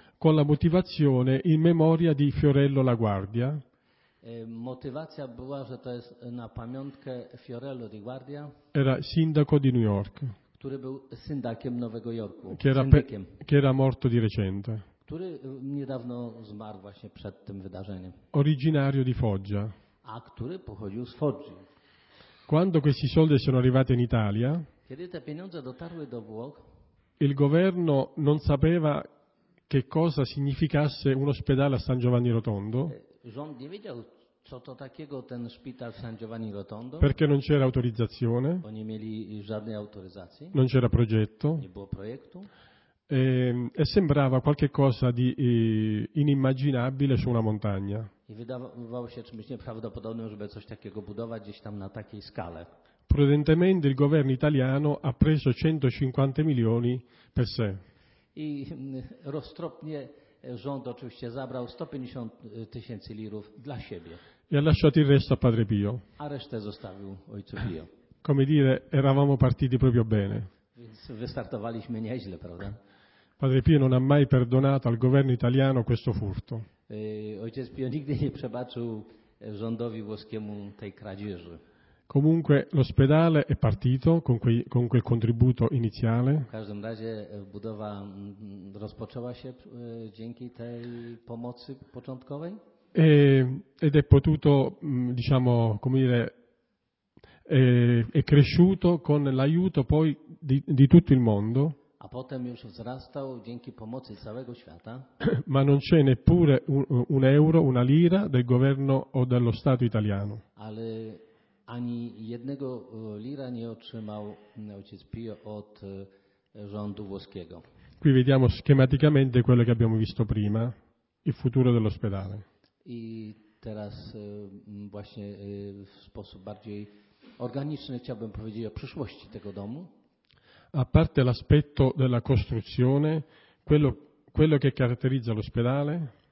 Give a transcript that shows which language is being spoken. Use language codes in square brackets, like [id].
[it] con la motivazione in memoria di Fiorello La Guardia, [pl] Motywacja była, że to jest na pamiątkę Fiorello di Guardia. [it] Era sindaco di New York. [pl] Który był syndakiem Nowego Jorku. [it] Che era morto di recente. [pl] Który niedawno zmarł właśnie przed tym wydarzeniem. [it] Originario di Foggia. [pl] A który pochodził z Foggi. [it] Quando questi soldi sono arrivati in Italia, [pl] kiedy te pieniądze dotarły do Włoch, [it] il governo non sapeva che cosa significasse un ospedale a San Giovanni Rotondo. [pl] Rząd nie wiedział, co to takiego ten szpital San Giovanni Rotondo. [it] Perché non c'era autorizzazione. [pl] Bo nie mieli żadnej autoryzacji. [it] Non c'era progetto. [pl] Nie było projektu. [it] E sembrava qualche cosa di inimmaginabile su una montagna. [pl] I wydawało się czymś nieprawdopodobnym, żeby coś takiego budować gdzieś tam na takiej skale. [it] Prudentemente il governo italiano ha preso 150 milioni per sé. [pl] I roztropnie rząd oczywiście zabrał 150 tysięcy lirów dla siebie. [it] E ha lasciato il resto a padre Pio. [pl] A resztę zostawił ojcu Pio. [it] Come dire, eravamo partiti proprio bene. [pl] Więc wystartowaliśmy nieźle, prawda? [it] Padre Pio non ha mai perdonato al governo italiano questo furto. [pl] Ojciec Pio nigdy nie przebaczył rządowi włoskiemu tej kradzieży. [it] Comunque l'ospedale è partito con quel contributo iniziale. [pl] W każdym razie budowa rozpoczęła się dzięki tej pomocy początkowej. [it] Ed è potuto, diciamo, come dire, è cresciuto con l'aiuto poi di tutto il mondo. [pl] A potem już wzrastał dzięki pomocy całego świata. [it] Ma non c'è neppure un euro, una lira del governo o dello Stato italiano. [pl] Ale ani jednego lira nie otrzymał ojciec Pio od rządu włoskiego. [it] Qui vediamo schematicamente quello che abbiamo visto prima, il futuro dell'ospedale. [pl] I teraz właśnie w sposób bardziej organiczny chciałbym powiedzieć o przyszłości tego domu. [it] A parte l'aspetto della costruzione, quello che caratterizza l'ospedale,